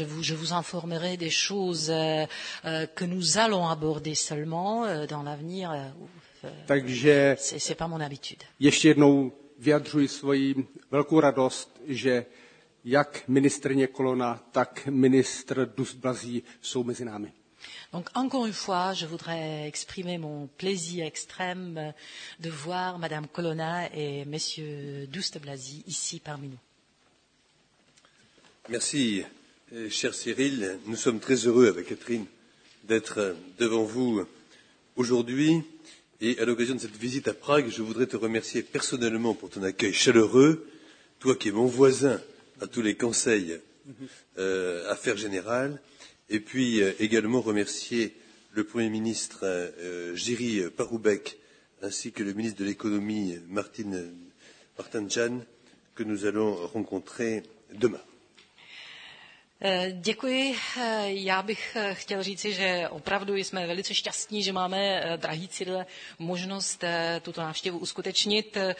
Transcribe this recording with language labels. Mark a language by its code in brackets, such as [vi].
[fr] Je vous informerai des choses que nous allons aborder seulement dans l'avenir. [cs] Takže [fr] c'est pas mon habitude. [cs] Ještě jednou vyjadřuji svoji velkou radost, že jak ministrně Kolona, tak ministr Dusblazí jsou mezi námi. [fr] Donc encore une fois, je voudrais exprimer mon plaisir extrême de voir Madame Colonna et Monsieur Douste-Blazy ici parmi nous. Merci, cher Cyril. Nous sommes très heureux avec Catherine d'être devant vous aujourd'hui. Et à l'occasion de cette visite à Prague, je voudrais te remercier personnellement pour ton accueil chaleureux, toi qui es mon voisin à tous les conseils affaires générales. Et puis également remercier le Premier ministre Jiří Paroubek ainsi que le ministre de l'économie Martin Jan que nous allons rencontrer demain. [cs] Děkuji. Já bych chtěl říci, že opravdu jsme velice šťastní, že máme, drahý Cyrile, možnost tuto návštěvu uskutečnit.